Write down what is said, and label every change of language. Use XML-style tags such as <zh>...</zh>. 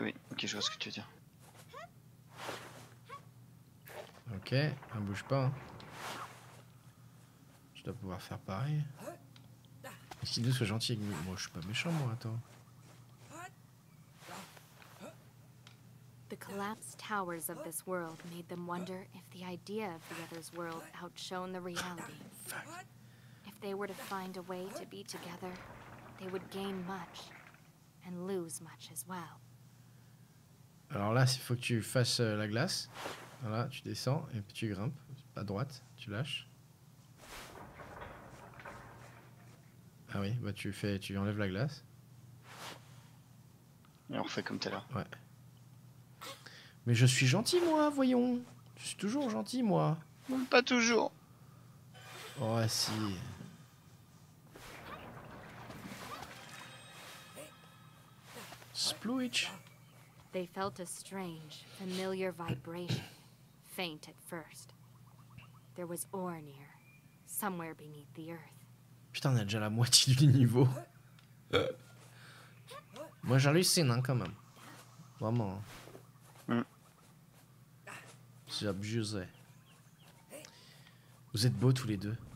<fr>Oui, ok, je vois ce que tu veux dire. Ok, ne bouge pas. Je dois pouvoir faire pareil. Est-ce qu'il doit être gentil avec moi ? Moi, je suis pas méchant, moi, attends.</fr> <en>The collapsed towers of this world made them wonder if the idea of the other's world outshone the reality. If they were to find a way to be together, they would gain much and lose much as well.</en> <fr>Alors là, il faut que tu fasses la glace. Voilà, tu descends et puis tu grimpes à droite, tu lâches. Ah oui, bah tu enlèves la glace. Et on refait comme t'es là. Ouais. Mais je suis gentil, moi, voyons. Je suis toujours gentil, moi. Pas toujours. Oh, si. Splooch.</fr> <en>They felt a strange, familiar vibration, faint at first. There was Ornir, somewhere beneath the earth.</en> <fr>Putain, on a déjà la moitié du niveau. Moi, j'hallucine, hein, quand même. Vraiment. C'est abusé. Vous êtes beaux tous les deux.</fr>